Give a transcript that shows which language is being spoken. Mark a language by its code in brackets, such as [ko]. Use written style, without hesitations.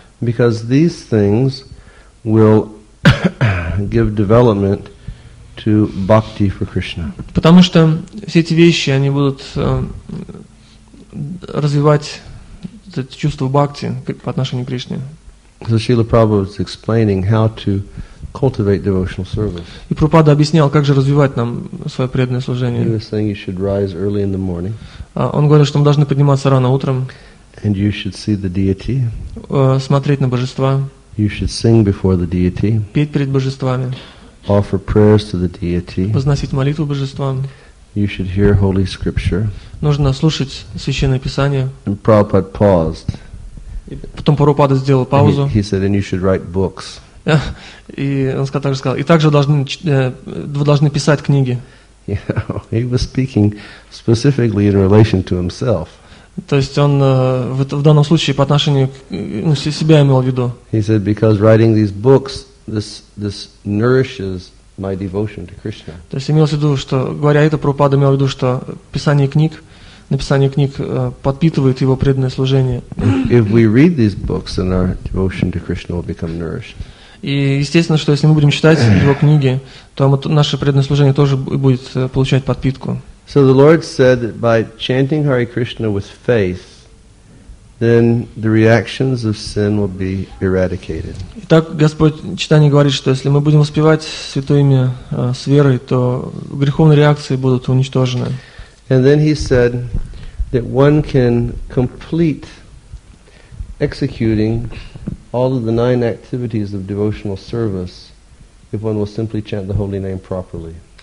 [en] Because these things will give development to bhakti for Krishna. [ru] Потому что все эти вещи, они будут развивать это чувство бхакти по отношению к Кришне. [en] So Srila Prabhupada was explaining how to cultivate devotional service. [ru] И Прабхупада объяснял, как же развивать нам свое преданное служение. [en] He was saying you should rise early in the morning. [ru] Он говорил, что мы должны подниматься рано утром. [en] And you should see the deity. [ru] Смотреть на божества. [en] You should sing before the deity. [ru] Петь перед божествами. [en] Offer prayers to the deity. [ru] Возносить молитву божествам. [en] You should hear holy scripture. [ru] Нужно слушать священное писание. [en] And Prabhupada paused. [ru] И потом Прабхупада сделал паузу. [en] He said, and you should write books. [ru] И он также сказал, и также вы должны писать книги. [en] Yeah, he was speaking specifically in relation to himself. [ru] То есть он в данном случае по отношению к себя имел в виду. [en] He said, because writing these books, this nourishes my devotion to Krishna. [ru] То есть имел в виду, что говоря это, Прабхупада имел в виду, что написание книг подпитывает его преданное служение. [en] If we read these books, then our devotion to Krishna will become nourished. [ru] И естественно, что если мы будем читать его книги, то наше преданное служение тоже будет получать подпитку. [en] So the Lord said that by chanting Hare Krishna with faith, then the reactions of sin will be eradicated. [ru] Итак, Господь Читание говорит, что если мы будем воспевать Святое Имя с верой, то греховные реакции будут уничтожены. [en] And then he said that one can complete executing all of the 9 activities of devotional service if one will simply chant the holy name properly.